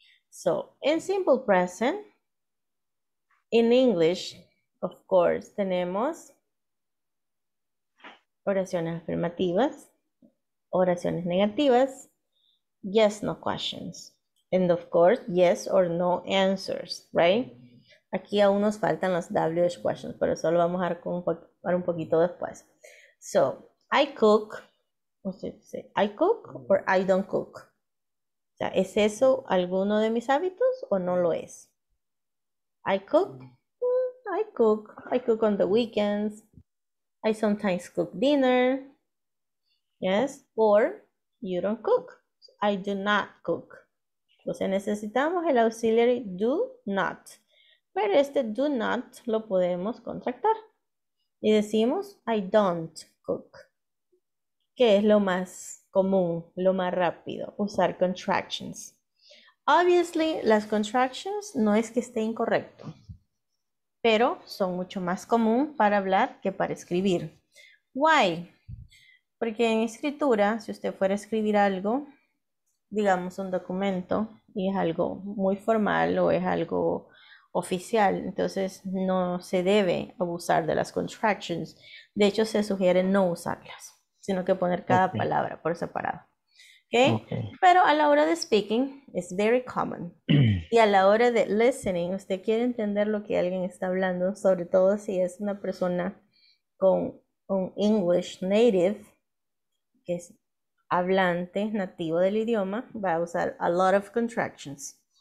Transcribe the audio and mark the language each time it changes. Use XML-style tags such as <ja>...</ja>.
<en>So, in simple present, in English, of course,</en> <es>tenemos oraciones afirmativas, oraciones negativas,</es> <en>yes, no questions. And of course, yes or no answers, right?</en> <es>Aquí aún nos faltan los WH questions, pero eso lo vamos a dar un poquito después.</es> <en>So, I cook, what's it say? I cook or I don't cook?</en> <es>O sea, ¿es eso alguno de mis hábitos o no lo es?</es> <en>I cook, I cook. I cook on the weekends. I sometimes cook dinner, yes, or you don't cook. I do not cook.</en> <es>Entonces necesitamos el</es> <en>auxiliary do not.</en> <es>Pero este do not lo podemos contractar. Y decimos</es> <en>I don't cook.</en> <es>Que es lo más común, lo más rápido, usar contractions.</es> <en>Obviously,</en> <es>las contractions no es que esté incorrecto, pero son mucho más común para hablar que para escribir.</es> <en>Why?</en> <es>Porque en escritura, si usted fuera a escribir algo, digamos un documento, y es algo muy formal o es algo oficial, entonces no se debe abusar de las contractions. De hecho, se sugiere no usarlas, sino que poner cada palabra por separado.</es> <en>Okay?</en> <es>Pero a la hora de</es> <en>speaking, it's very common.</en> <es>Y a la hora de listening, usted quiere entender lo que alguien está hablando, sobre todo si es una persona con un English native, que es hablante nativo del idioma, va a usar</es> <en>a lot of contractions.</en>